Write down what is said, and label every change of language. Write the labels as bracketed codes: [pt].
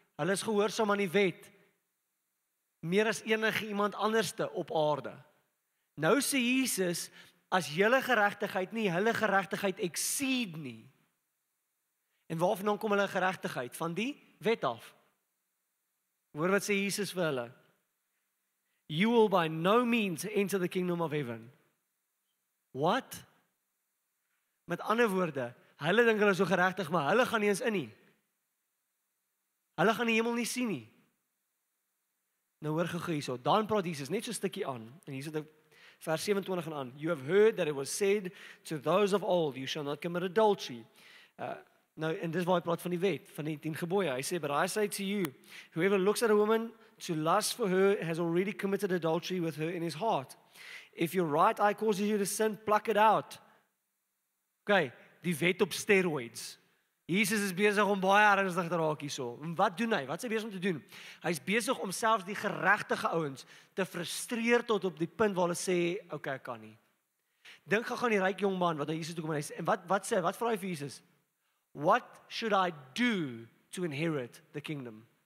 [af] Hulle is gehoorsaam aan die wet. Meer as enige iemand anderste op aarde. Nou sê Jesus, as julle geregtigheid nie, hulle geregtigheid exceed nie. En waarvandaan kom hulle geregtigheid? Van die wet af. Hoor wat sê Jesus vir hulle. [en] You will by no means enter the kingdom of heaven. What? [af] Met ander woorde, hulle dink hulle is so geregtig, maar hulle gaan nie eens in nie. Hulle gaan die hemel nie sien nie. Nou hoor gegooi hierso. Dan praat Jesus net so 'n stukkie aan. En hier sit vers 27 en aan. [en] You have heard that it was said to those of old, you shall not commit adultery. [af] Nou, en dis waar hy praat van die wet, van die 10 gebooie. Hy sê, [en] but I say to you, whoever looks at a woman to lust for her has already committed adultery with her in his heart. If your right eye causes you to sin, pluck it out. [af] Okay. Die wet op steroids. Jesus is besig om baie ernstig te raak hierso. Wat doen hy? Wat is hy besig om te doen? Hy is besig om selfs die geregtige ouens te frustreer tot op die punt waar hulle sê, okay, ek kan nie. Dink gaan die ryk jong man wat na Jesus toe kom en hy sê, en wat sê, wat vra hy vir Jesus? [en] What should I do to inherit the kingdom?